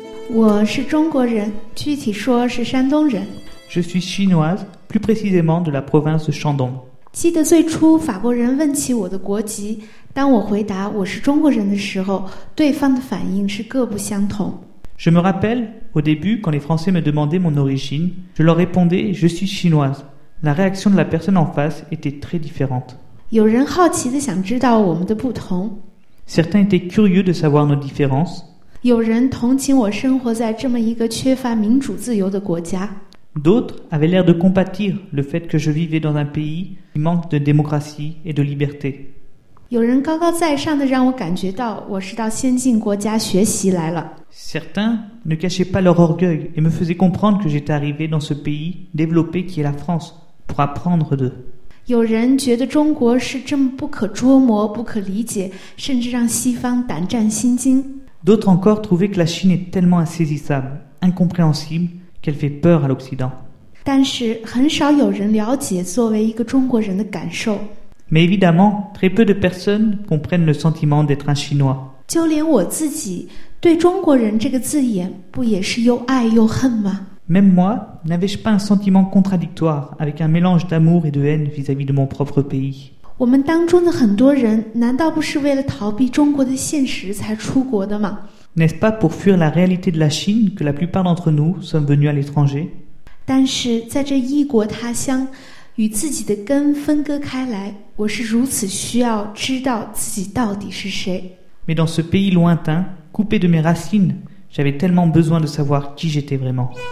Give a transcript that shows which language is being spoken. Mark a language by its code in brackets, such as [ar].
[zh] 我是中国人，具体说是山东人。 [fr] Je suis chinoise, plus précisément de la province de Shandong. [zh] 记得最初法国人问起我的国籍，当我回答我是中国人的时候，对方的反应是各不相同。 [fr] Je me rappelle, au début, quand les Français me demandaient mon origine, je leur répondais « Je suis chinoise ». La réaction de la personne en face était très différente. [zh] 有人好奇地想知道我们的不同。 [fr] Certains étaient curieux de savoir nos différences. [zh] 有人同情我生活在这么一个缺乏民主自由的国家。 [fr] D'autres avaient l'air de compatir le fait que je vivais dans un pays qui manque de démocratie et de liberté. [zh] 有人高高在上的让我感觉到我是到先进国家学习来了。 [fr] Certains ne cachaient pas leur orgueil et me faisaient comprendre que j'étais arrivé dans ce pays développé qui est la France pour apprendre d'eux. [zh] 有人觉得中国是这么不可捉摸、不可理解，甚至让西方胆战心惊。 [fr] D'autres encore trouvaient que la Chine est tellement insaisissable, incompréhensible qu'elle fait peur à l'Occident. [zh] 但是很少有人了解作为一个中国人的感受。 [fr] Mais évidemment, très peu de personnes comprennent le sentiment d'être un Chinois. [zh] 就连我自己对中国人这个字眼不也是又爱又恨吗？ [fr] Même moi, n'avais-je pas un sentiment contradictoire avec un mélange d'amour et de haine vis-à-vis de mon propre pays? [zh] 我们当中的很多人难道不是为了逃避中国的现实才出国的吗？ [fr] N'est-ce pas pour fuir la réalité de la Chine que la plupart d'entre nous sommes venus à l'étranger? [zh] 但是在这异国他乡与自己的根分割开来，我是如此需要知道自己到底是谁。 [fr] Mais dans ce pays lointain, coupé de mes racines, j'avais tellement besoin de savoir qui j'étais vraiment.